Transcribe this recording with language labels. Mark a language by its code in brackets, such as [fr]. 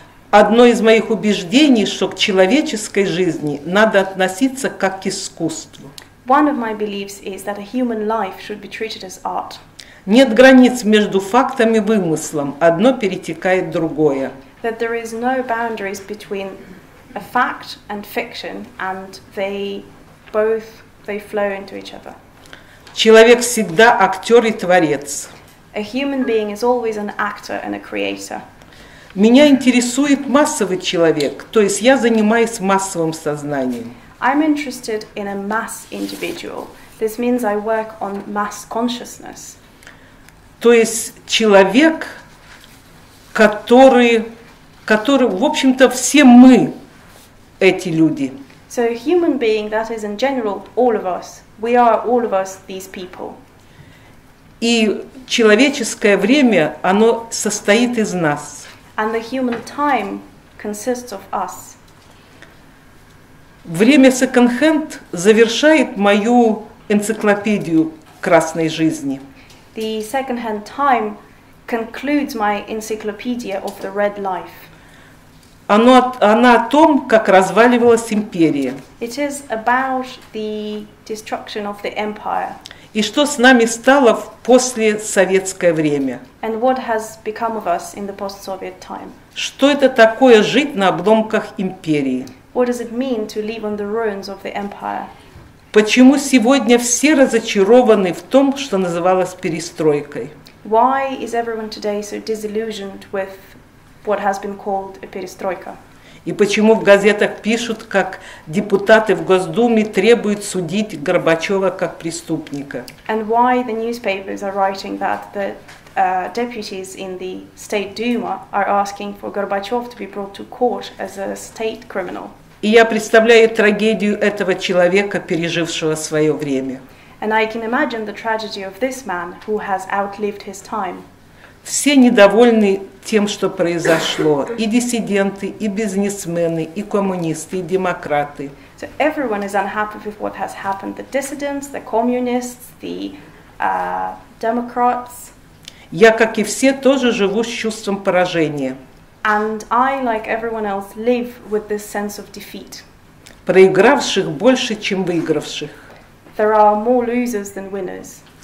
[ru] Одно из моих убеждений, что к человеческой жизни надо относиться как к искусству. [en] One of my beliefs is that a human life should be treated as art. [ru] Нет границ между фактом и вымыслом, одно перетекает в другое. [en] That there is no boundaries between a fact and fiction, and they flow into each other. [ru] Человек всегда актер и творец. [en] A human being is always an actor and a creator. [ru] Меня интересует массовый человек, то есть я занимаюсь массовым сознанием. [en] I'm interested in a mass individual. This means I work on mass consciousness. [ru] То есть человек, который, в общем-то, все мы эти люди. [en] So a human being, that is in general, all of us. We are all of us these people. [ru] И человеческое время, оно состоит из нас. [en] And the human time consists of us. [ru] Время секонд-хенд завершает мою энциклопедию красной жизни. [en] The second-hand time concludes my encyclopedia of the red life. [ru] Она о том, как разваливалась империя. [en] It is about the destruction of the empire. [ru] И что с нами стало в постсоветское время. [en] And what has become of us in the post-Soviet time. [ru] Что это такое жить на обломках империи? [en] What does it mean to live on the ruins of the empire? [ru] Почему сегодня все разочарованы в том, что называлось перестройкой? [en] Why is everyone today so disillusioned with what has been called a перестройка? [ru] И почему в газетах пишут, как депутаты в Госдуме требуют судить Горбачева как преступника? [en] And why the newspapers are writing that the deputies in the State Duma are asking for Gorbachev to be brought to court as a state criminal? [ru] И я представляю трагедию этого человека, пережившего свое время. [en] And I can imagine the tragedy of this man who has outlived his time. [ru] Все недовольны тем, что произошло. И диссиденты, и бизнесмены, и коммунисты, и демократы. [en] So everyone is unhappy with what has happened. The dissidents, the communists, the democrats. [ru] Я, как и все, тоже живу с чувством поражения. [en] And I, like everyone else, live with this sense of defeat. [ru] Проигравших больше, чем выигравших. [en] There are more losers than winners.